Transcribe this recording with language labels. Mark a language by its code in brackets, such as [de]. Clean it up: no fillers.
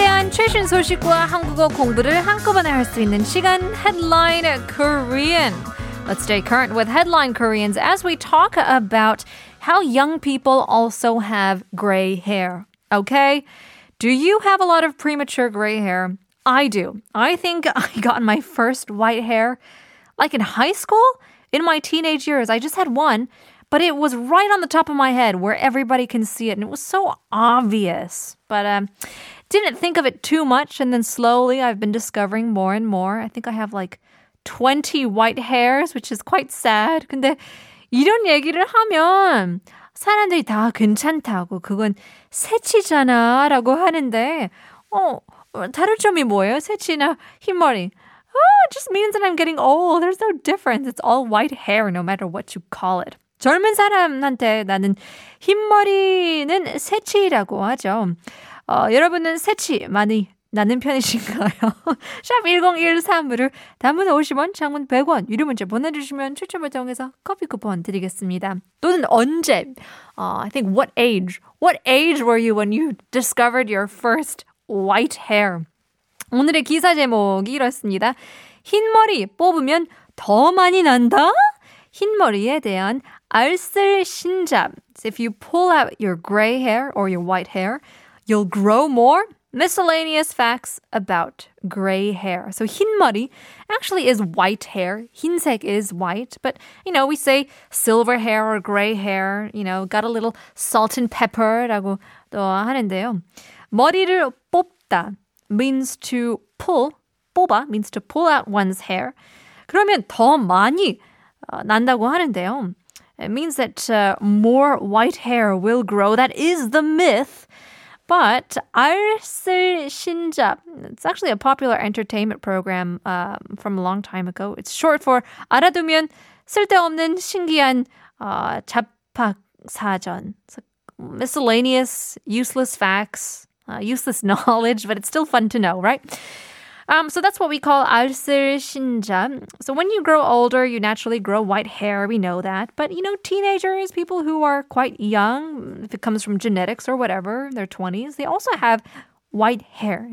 [ko] 최신 소식과 한국어 공부를 한꺼번에 할 수 있는 시간, Headline Korean. [en] Let's stay current with Headline Koreans as we talk about how young people also have gray hair. Okay? Do you have a lot of premature gray hair? I do. I think I got my first white hair, like in high school, in my teenage years. I just had one, but it was right on the top of my head where everybody can see it. And it was so obvious, but didn't think of it too much. And then slowly I've been discovering more and more. I think I have like 20 white hairs, which is quite sad. [ko] 근데 이런 얘기를 하면 사람들이 다 괜찮다고, 그건 새치잖아 라고 하는데, 다른 점이 뭐예요? 새치나 흰머리. [en] Oh, it just means that I'm getting old. There's no difference. It's all white hair, no matter what you call it. [ko] 젊은 사람한테 나는 흰머리는 새치라고 하죠. 여러분은 새치 많이 나는 편이신가요? 샵 1013으로 단문 50원, 장문 100원 유료 문자 보내주시면 추첨을 통해서 커피 쿠폰 드리겠습니다. 또는 언제, [en] I think what age were you when you discovered your first white hair? [ko] 오늘의 기사 제목이 이렇습니다. 흰머리 뽑으면 더 많이 난다? 흰머리에 대한 알쓸신잡. [en] So if you pull out your gray hair or your white hair, you'll grow more. Miscellaneous facts about gray hair. So 흰머리 actually is white hair. 흰색 is white. But, you know, we say silver hair or gray hair, you know, got a little salt and pepper [ko] 라고도 하는데요. 머리를 뽑다 [en] means to pull. 뽑아 means to pull out one's hair. [ko] 그러면 더 많이 난다고 하는데요. [en] It means that more white hair will grow. That is the myth. But 알쓸신잡, it's actually a popular entertainment program from a long time ago. It's short for [ko] 알아두면 쓸데없는 신기한 잡학사전. [en] It's like miscellaneous, useless facts, useless knowledge, but it's still fun to know, right? So that's what we call 알쓸신잡. So when you grow older, you naturally grow white hair, we know that. But, you know, teenagers, people who are quite young, if it comes from genetics or whatever, their 20s, they also have white hair.